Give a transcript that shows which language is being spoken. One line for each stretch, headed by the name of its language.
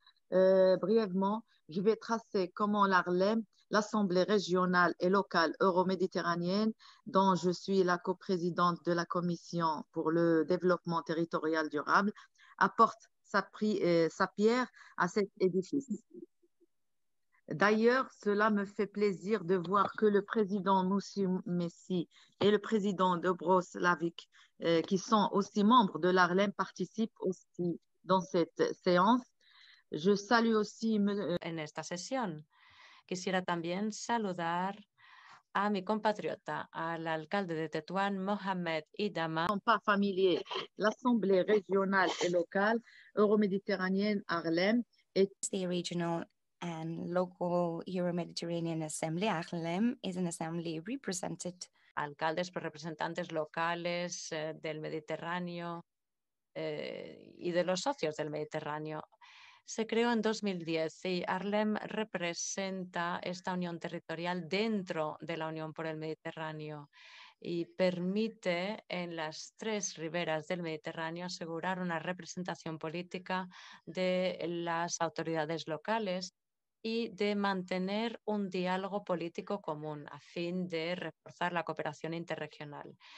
French: Brièvement, je vais tracer comment l'Arlem, l'Assemblée régionale et locale euro-méditerranéenne, dont je suis la coprésidente de la Commission pour le développement territorial durable, apporte sa pierre à cet édifice. D'ailleurs, cela me fait plaisir de voir que le président Moussi Messi et le président Dobros Lavic, qui sont aussi membres de l'Arlem, participent aussi dans cette séance. Je salue aussi...
Spanish: En esta sesión, quisiera también saludar a mi compatriota, à l'alcalde de Tétouan, Mohamed Idama.
French: Ils ne sont pas familiers. L'Assemblée régionale et locale, euro-méditerranéenne Arlem, est...
English: The regional... and local Euro-Mediterranean Assembly, Arlem, is an assembly represented.
Spanish: Alcaldes, representantes locales del Mediterráneo y de los socios del Mediterráneo. Se creó en 2010 y Arlem representa esta unión territorial dentro de la Unión por el Mediterráneo y permite en las tres riberas del Mediterráneo asegurar una representación política de las autoridades locales y de mantener un diálogo político común a fin de reforzar la cooperación interregional.